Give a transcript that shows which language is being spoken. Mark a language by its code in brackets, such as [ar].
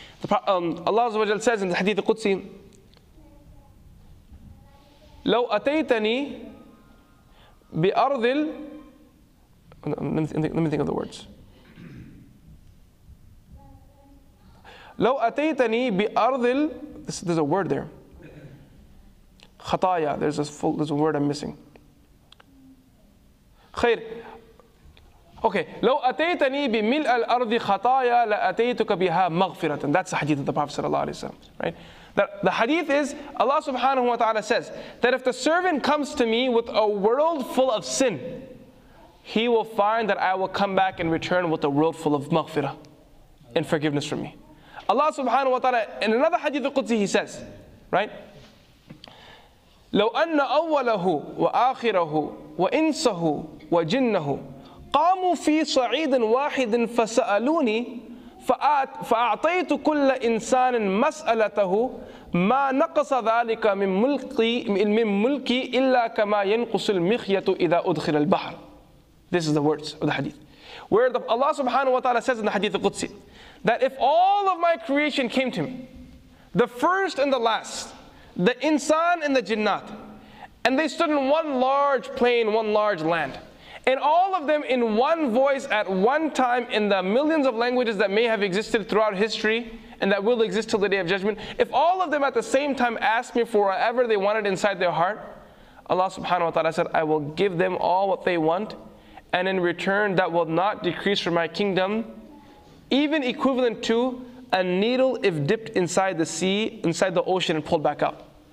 [en] Allah Azawajal says in the Hadith Qudsi, [ar] لو أتيتني بأرض ال... [en] Let me think of the words. [ar] لو أتيتني بأرض ال... [en] There's a word there. [ar] خطايا. [en] There's a word I'm missing. [ar] خير. Okay, لو أتيتني بملء الأرض خطايا لأتيتك بها مغفرة. [en] That's the hadith of the Prophet sallallahu alaihi wasallam, right? The hadith is Allah subhanahu wa ta'ala says that if the servant comes to me with a world full of sin, he will find that I will come back and return with a world full of maghfira and forgiveness from me. Allah subhanahu wa ta'ala in another hadith of Qudsi, he says, right? [ar] لو أن أوله وآخره وإنسه وجنه قاموا في صعيد واحد فسألوني فأعطيت كل إنسان مسألته ما نقص ذلك من ملكي إلا كما ينقص المخيط إذا أدخل البحر. [en] This is the words of the hadith, where the Allah subhanahu wa ta'ala says in the hadith of Qudsi that if all of my creation came to me, the first and the last, the insan and the jinnat, and they stood in one large plain, one large land, and all of them in one voice at one time in the millions of languages that may have existed throughout history and that will exist till the Day of Judgment, if all of them at the same time asked me for whatever they wanted inside their heart, Allah subhanahu wa ta'ala said, I will give them all what they want, and in return that will not decrease from my kingdom, even equivalent to a needle if dipped inside the sea, inside the ocean and pulled back out.